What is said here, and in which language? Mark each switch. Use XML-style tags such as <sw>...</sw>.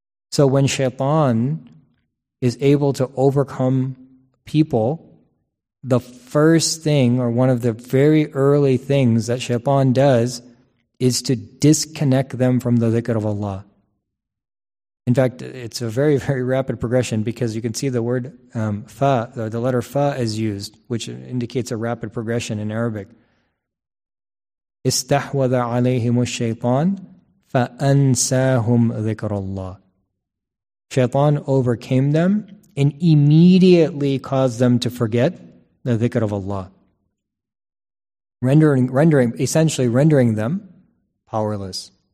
<en>So when Shaitan is able to overcome people, the first thing, or one of the very early things that Shaitan does, is to disconnect them from the dhikr of Allah. In fact, it's a very, very rapid progression, because you can see the word fa, the letter fa is used, which indicates a rapid progression in Arabic.</en> <ar>استحوذ عليهم الشيطان فأنساهم ذكر الله.</ar> <en>Shaitan overcame them and immediately caused them to forget the dhikr of Allah, rendering them powerless.</en>